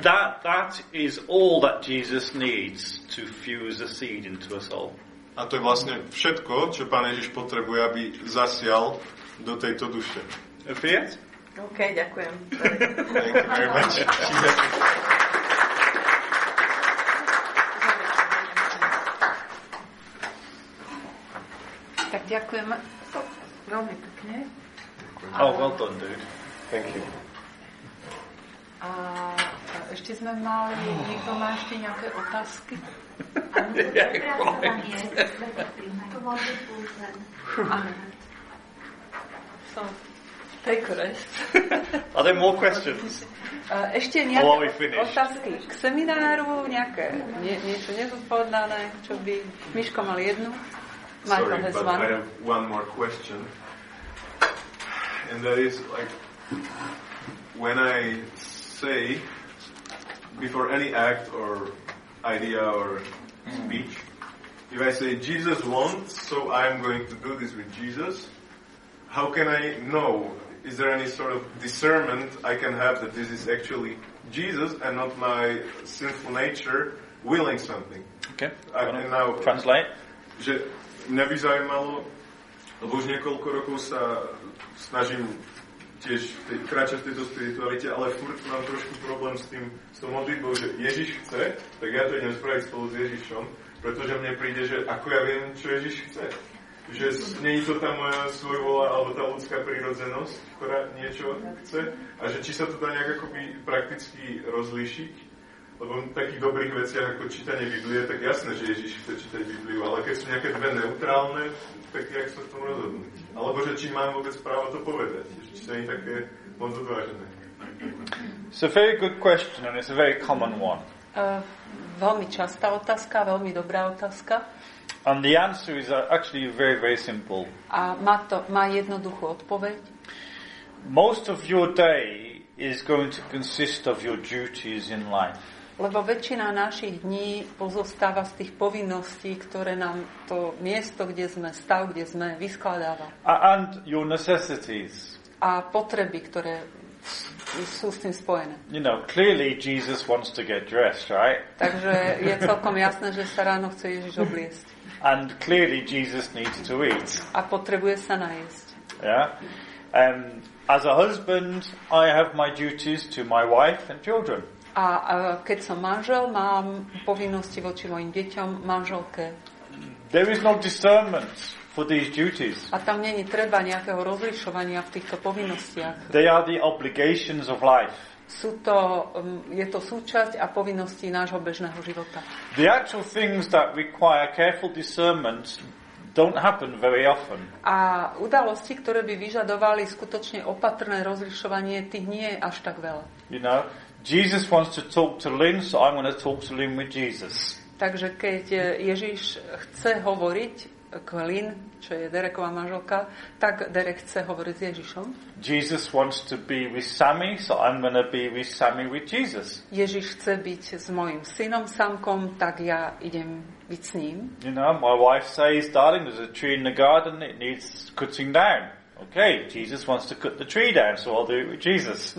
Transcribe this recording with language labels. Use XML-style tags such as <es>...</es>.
<en>And that is all that Jesus needs to fuse a seed into a soul.</en> <sk>A to je vlastne všetko, čo Pán Ježiš potrebuje, aby zasial do tejto duše. Efiat? OK, ďakujem.</sk> <en>Thank you very much.</en> <sk>Tak ďakujem. Veľmi pekne.</sk> <en>Oh, well done, dude. Thank you.</en> <sk>A ešte sme mali, niekto má ešte nejaké otázky?</sk> <en>Are there more questions?</en> <sk>Ešte nejaké otázky k semináru, nejaké niečo nezodpovedané, čo by Miško mal jednu.</sk> <en>Marko, sorry, but one. I have one more question. And that is, like, when I say, before any act or idea or speech, if I say, Jesus wants, so I'm going to do this with Jesus, how can I know? Is there any sort of discernment I can have that this is actually Jesus and not my sinful nature willing something? Okay. And now, translate.</en> <sk>Že mňa by zaujímalo, lebo už niekoľko rokov sa snažím tiež kráčať v tejto spiritualite, ale furt mám trošku problém s tým, s tou modlitbou, že Ježiš chce, tak ja to idem spraviť spolu s Ježišom, pretože mne príde, že ako ja viem, čo Ježiš chce. Že nie je to tá moja svojvola alebo tá ľudská prírodzenosť, ktorá niečo chce. A že či sa to dá nejak akoby prakticky rozlíšiť. Lebo v takých dobrých veciach ako čítanie Biblie, tak jasné, že Ježiš chce čítať Bibliu, ale keď sú nejaké dve neutrálne, tak jak sa v tom rozhodnúť? Alebo že či mám vôbec právo to povedať? Či sa nie také moc odvážené?</sk> <en>It's a very good question and it's a very common one.</en> <sk>Veľmi častá otázka, veľmi dobrá otázka.</sk> <en>And the answer is actually very, very simple.</en> <sk>A má to, má jednoduchú odpoveď?</sk> <en>Most of your day is going to consist of your duties in life.</en> <sk>Lebo väčšina našich dní pozostáva z tých povinností, ktoré nám to miesto, kde sme, stav, kde sme, vyskladáva.</sk> <en>And your necessities.</en> <sk>A potreby, ktoré sú s tým spojené.</sk> <en>You know, clearly Jesus wants to get dressed, right?</en> <sk>Takže je celkom jasné, že sa ráno chce Ježiš obliesť.</sk> <en>And clearly Jesus needs to eat.</en> <sk>A potrebuje sa najesť.</sk> <en>Yeah? As a husband, I have my duties to my wife and children.</en> <sk>A keď som manžel, mám povinnosti voči mojim deťom, manželke.</sk> <en>There is no discernment for these duties.</en> <sk>A tam nie je treba nejakého rozlišovania v týchto povinnostiach.</sk> <en>They are the obligations of life.</en> <sk>Sú to, je to súčasť a povinnosti nášho bežného života.</sk> <en>The actual things that require careful discernment don't happen very often.</en> <sk>A udalosti, ktoré by vyžadovali skutočne opatrné rozlišovanie, tých nie je až tak veľa.</sk> <en>You know, Jesus wants to talk to Lynn, so I'm going to talk to Lynn with Jesus.</en> <sk>Takže keď Ježiš chce hovoriť k Lynn, čo je Dereková manželka, tak Derek chce hovoriť s Ježišom.</sk> <en>Jesus wants to be with Sammy, so I'm going to be with Sammy with Jesus.</en> <sk>Ježiš chce byť s mojim synom Samkom, tak ja idem byť s ním.</sk> <en>You know, my wife says, darling, there's a tree in the garden, it needs cutting down. Okay, Jesus wants to cut the tree down, so I'll do it with Jesus.</en>